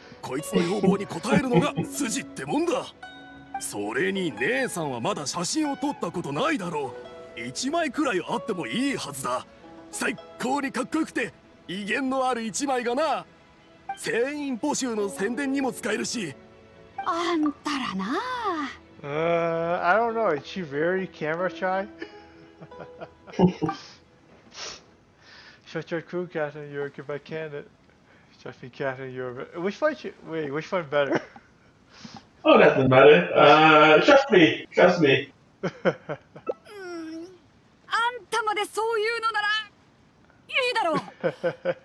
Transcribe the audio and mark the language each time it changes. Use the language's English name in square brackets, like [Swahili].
[Japanese] こいつの要望に応えるのが筋ってもんだ。それに姉さんはまだ写真を撮ったことないだろう。一枚くらいあってもいいはずだ。最高にかっこよくて威厳のある一枚がな。船員募集の宣伝にも使えるし。あんたらな。 [English] I don't know. Is she very camera shy? 所長クーキャットン、ユーキバイキャンデット。所長クーキャットン、ユーキバイキャンデット。 Which one better? Oh, nothing better. Trust me. [Japanese] あんたまでそういうのならいいだろう。